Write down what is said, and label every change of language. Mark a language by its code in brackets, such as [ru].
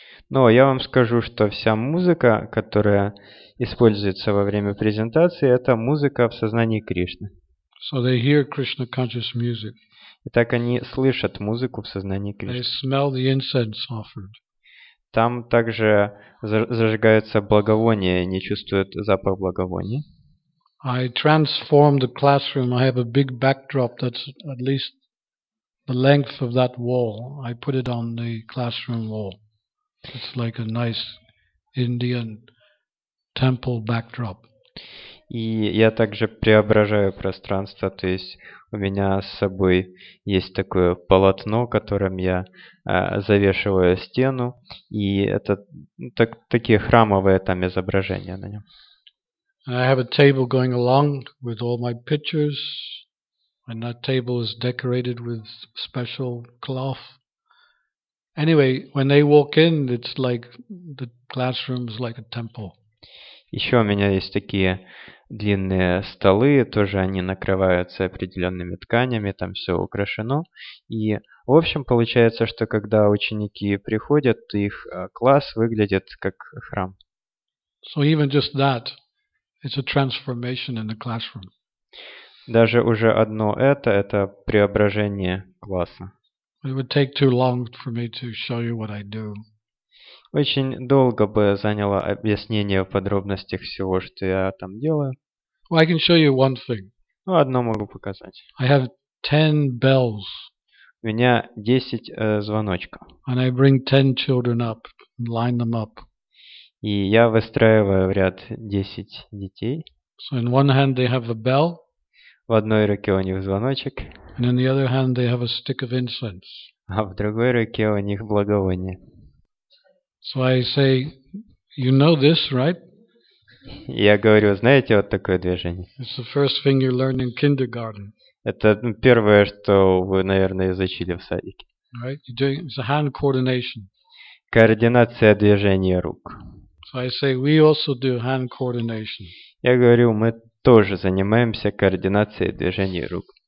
[ru] Но я вам скажу, что вся музыка, которая используется во время презентации, это музыка в сознании Кришны. [en] So they hear Krishna conscious music. [ru] Итак, они слышат музыку в сознании Кришны. [en] They smell the incense offered. [ru] Там также зажигается благовоние, они чувствуют запах благовония. [en] I transformed the classroom. I have a big backdrop that's at least the length of that wall. I put it on the classroom wall. It's like a nice Indian temple backdrop. [ru] И я также преображаю пространство, то есть у меня с собой есть такое полотно, которым я завешиваю стену, и это такие храмовые там изображения на нем. [en] I have a table going along with all my pictures, and that table is decorated with special cloth. Anyway, when they walk in, it's like the classroom is like a temple. [ru] Еще у меня есть такие длинные столы, тоже они накрываются определенными тканями, там все украшено. И в общем получается, что когда ученики приходят, то их класс выглядит как храм. [en] So even just that, it's a transformation in the classroom. [ru] Даже уже одно это преображение класса. [en] It would take too long for me to show you what I do. [ru] Очень долго бы заняло объяснение в подробностях всего, что я там делаю. [en] Well, I can show you one thing. [ru] Ну, одно могу показать. [en] I have 10 bells. [ru] У меня 10 звоночков. [en] And I bring 10 children up, line them up. [ru] И я выстраиваю в ряд 10 детей. [en] So in one hand they have a bell. [ru] В одной руке у них звоночек. [en] And in the other hand they have a stick of incense. [ru] А в другой руке у них благовоние. [en] So I say, you know this, right? [ru] Я говорю, знаете вот такое движение? [en] It's the first thing you learn in kindergarten. [ru] Это первое, что вы, наверное, изучили в садике. [en] Right? You're doing, it's a hand coordination. [ru] Координация движения рук. [en] So I say we also do hand coordination. [ru] Я говорю, мы тоже занимаемся координацией движений рук.